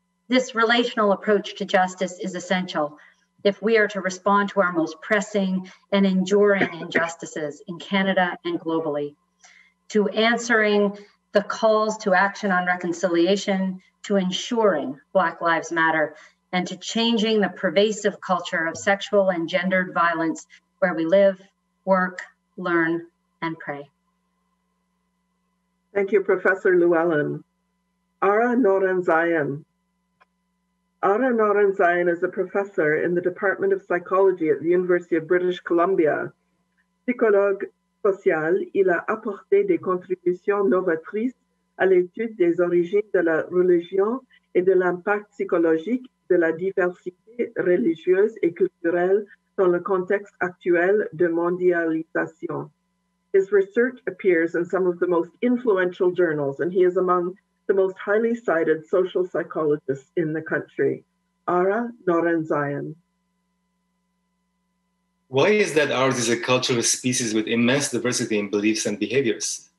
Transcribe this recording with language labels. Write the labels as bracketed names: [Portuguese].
[English] This relational approach to justice is essential if we are to respond to our most pressing and enduring injustices in Canada and globally, to answering the calls to action on reconciliation, to ensuring Black Lives Matter, and to changing the pervasive culture of sexual and gendered violence where we live, work, learn, and pray. Thank you, Professor Llewellyn. Ara Norenzayan. Ara Norenzayan is a professor in the Department of Psychology at the University of British Columbia. [French] Psychologue social, il a apporté des contributions novatrices à l'étude des origines de la religion et de l'impact psychologique de la diversité religieuse et culturelle dans le contexte actuel de mondialisation. [English] His research appears in some of the most influential journals, and he is among the most highly cited social psychologists in the country. Ara Norenzayan. Why is that ours is a cultural species with immense diversity in beliefs and behaviors?